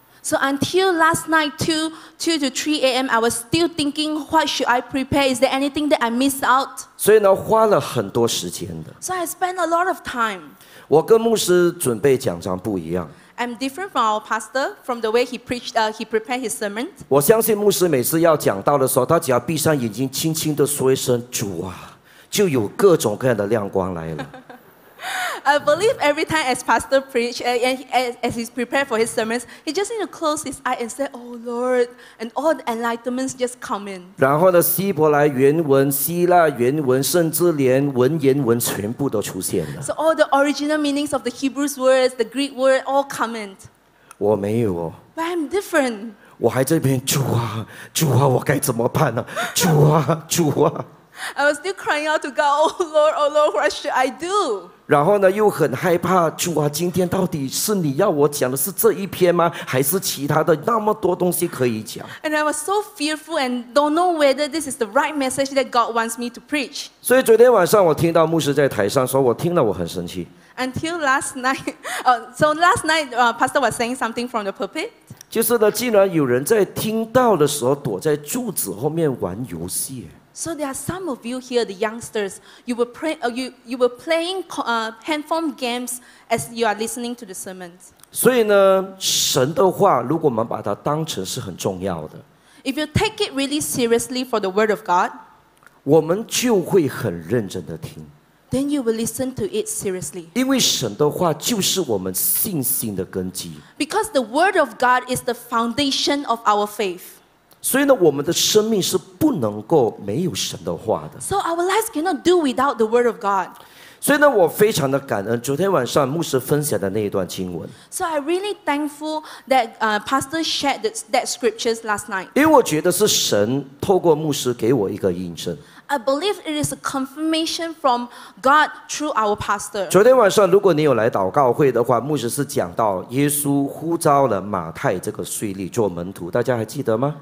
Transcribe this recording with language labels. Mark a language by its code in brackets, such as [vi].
[en] So until last night, 2 to 3 a.m., I was still thinking, what should I prepare? Is there anything that I missed out? [zh] 所以呢，花了很多时间的。 [en] So I spent a lot of time. [zh] 我跟牧师准备讲章不一样。 [en] I'm different from our pastor, from the way he preached, he prepared his sermon. [zh] 我相信牧师每次要讲到的时候，他只要闭上眼睛，轻轻地说一声“主啊”，就有各种各样的亮光来了。 [en] I believe every time as pastor preach, as he's prepared for his sermons, he just need to close his eye and say, "Oh Lord," and all the enlightenments just come in. [zh] 然后呢，希伯来原文、希腊原文，甚至连文言文全部都出现了。 [en] So all the original meanings of the Hebrew words, the Greek word, all come in. [zh] 我没有哦。 [en] But I'm different. [zh] 我还这边主啊，主啊，我该怎么办呢？主啊，主啊。 [en] I was still crying out to God, "Oh Lord, oh Lord, what should I do?" [zh] 然后呢，又很害怕，主啊，今天到底是你要我讲的是这一篇吗？还是其他的那么多东西可以讲 [en] ？And I was so fearful and don't know whether this is the right message that God wants me to preach. [zh] 所以昨天晚上我听到牧师在台上说，我听了我很生气。 [en] Until last night, so last night, Pastor was saying something from the pulpit. [zh] 就是呢，竟然有人在听到的时候躲在柱子后面玩游戏。 [en] So there are some of you here, the youngsters. You were playing handphone games as you are listening to the sermons. [zh] 所以呢，神的话，如果我们把它当成是很重要的 [en] ，If you take it really seriously for the word of God, [zh] 我们就会很认真的听。 [en] Then you will listen to it seriously. [zh] 因为神的话就是我们信心的根基。 [en] Because the word of God is the foundation of our faith. [zh] 所以呢，我们的生命是不能够没有神的话的。 [en] So our lives cannot do without the word of God. [zh] 所以呢，我非常的感恩昨天晚上牧师分享的那一段经文。 [en] So I really thankful that Pastor shared that scriptures last night. [zh] 因为我觉得是神透过牧师给我一个印证。 [en] I believe it is a confirmation from God through our pastor. [zh] 昨天晚上如果你有来祷告会的话，牧师是讲到耶稣呼召了马太这个税吏做门徒，大家还记得吗？